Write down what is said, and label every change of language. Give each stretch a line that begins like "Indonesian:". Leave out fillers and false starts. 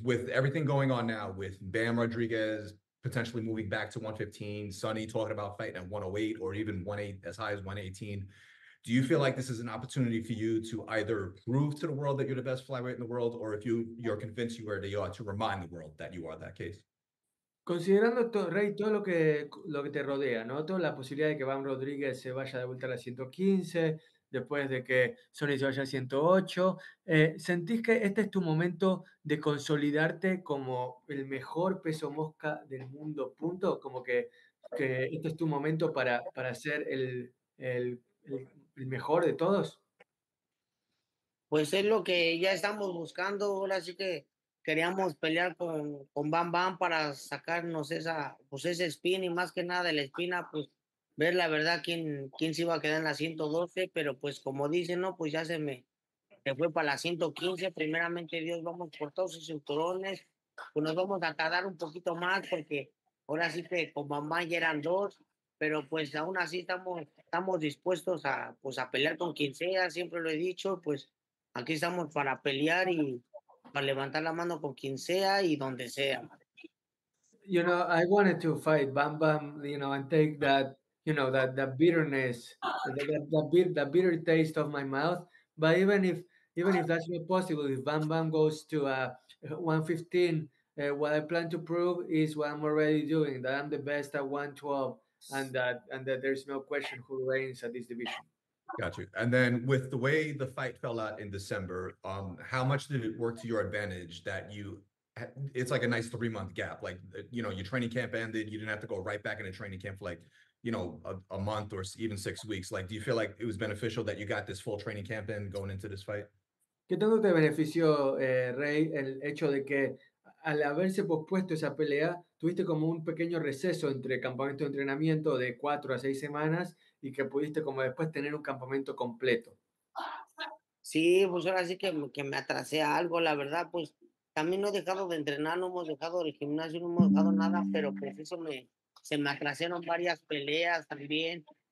English: With everything going on now with Bam Rodriguez potentially moving back to 115, Sonny talking about fighting at 108 or even 18, as high as 118, do you feel like this is an opportunity for you to either prove to the world that you're the best flyweight in the world, or if you're convinced you are, that you are, to remind the world that you are that case?
Spanish: Considerando, Rey, todo lo que te rodea, ¿no? Toda la posibilidad de que Bam Rodriguez se vaya de vuelta a la 115, después de que Sonny se vaya a 108, ¿sentís que este es tu momento de consolidarte como el mejor peso mosca del mundo, punto? Como que este es tu momento para ser el mejor de todos. Pues es lo que ya estamos buscando, ahora sí que... Queríamos pelear con Bam Bam para sacarnos esa, pues ese spin, y más que nada de la espina, pues ver la verdad quién se iba a quedar en la 112, pero pues como dicen, no, pues ya se fue para la 115. Primeramente Dios, vamos por todos sus cinturones, pues nos vamos a tardar un poquito más porque ahora sí que con Bam Bam ya eran dos, pero pues aún así estamos dispuestos a pelear con quien sea, siempre lo he dicho, pues aquí estamos para pelear y para levantar la mano con quien sea y donde sea.
English: You know, I wanted to fight Bam Bam, you know, and take that, you know, that bitterness, that bitter taste of my mouth. But even if that's not possible, if Bam Bam goes to 115, what I plan to prove is what I'm already doing, that I'm the best at 112, and that there's no question who reigns at this division. Got you. And then with the way the fight fell out in December, how much did it work to your advantage that it's like a nice 3-month gap? Like, you know, your training camp ended, you didn't have to go right back into training camp for like, you know, a month or even 6 weeks. Like, do you feel like it was beneficial that you got this full training camp in going into this fight?
Spanish: ¿Qué tanto te benefició, Rey, el hecho de que al haberse pospuesto esa pelea, tuviste como un pequeño receso entre campamento de entrenamiento de 4 a 6 semanas y que pudiste como después tener un campamento completo. Sí, pues ahora sí que me atrasé a algo, la verdad, pues también no he dejado de entrenar, no hemos dejado el gimnasio, no hemos dejado nada, pero pues eso se me atrasaron varias peleas también.